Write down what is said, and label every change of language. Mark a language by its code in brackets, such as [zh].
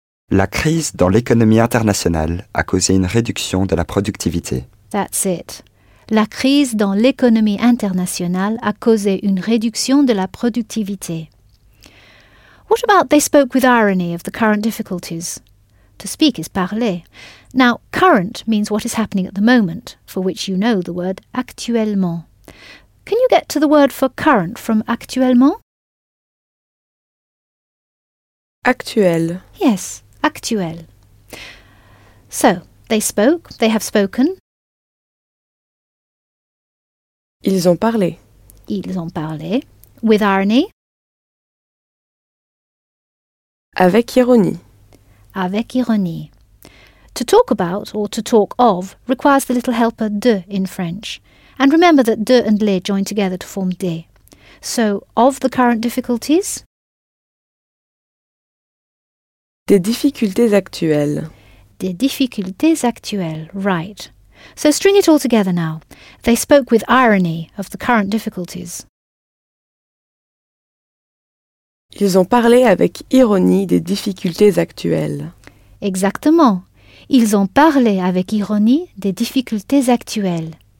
[fr] La crise dans l'économie internationale a causé une réduction de la productivité. [en] That's it. [fr] La crise dans l'économie internationale a causé une réduction de la productivité. [en] What about they spoke with irony of the current difficulties? To speak is parler. Now, current means what is happening at the moment, for which you know the word actuellement. Can you get to the word for current from actuellement? [fr] Actuel. [en] Yes, actuel. So, they spoke, they have spoken. [fr] Ils ont parlé. Ils ont parlé. [en] With irony. [fr] Avec ironie. Avec ironie. [en] To talk about or to talk of requires the little helper de in French. And remember that de and le join together to form des. So, of the current difficulties? [fr] Des difficultés actuelles. Des difficultés actuelles, right. [en] So string it all together now. They spoke with irony of the current difficulties. [fr] Ils ont parlé avec ironie des difficultés actuelles. Exactement. Ils ont parlé avec ironie des difficultés actuelles.